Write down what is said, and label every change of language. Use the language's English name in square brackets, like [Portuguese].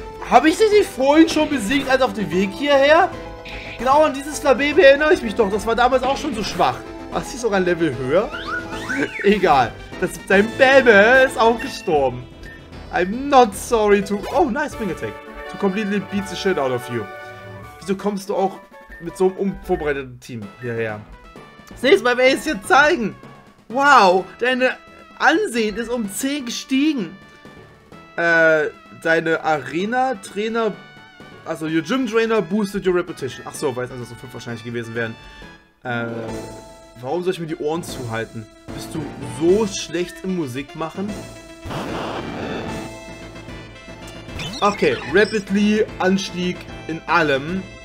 [German] Habe ich dich nicht vorhin schon besiegt, als auf dem Weg hierher? Genau an dieses Flabébé erinnere ich mich doch. Das war damals auch schon so schwach. War sie sogar ein Level höher? Egal. Dein Baby ist auch gestorben. [English] I'm not sorry to... Oh, nice Wing Attack. To completely beat the shit out of you. [German] Wieso kommst du auch mit so einem unvorbereiteten Team hierher? Das nächste Mal werde ich es dir zeigen. Wow, deine Ansehen ist um 10 gestiegen. Deine Arena-Trainer... [English] Also, your Gym-Trainer boosted your reputation. [German] Ach so, weiß nicht, dass so 5 wahrscheinlich gewesen wären. Warum soll ich mir die Ohren zuhalten? Bist du so schlecht im Musik machen? Okay, rapidly Anstieg in allem.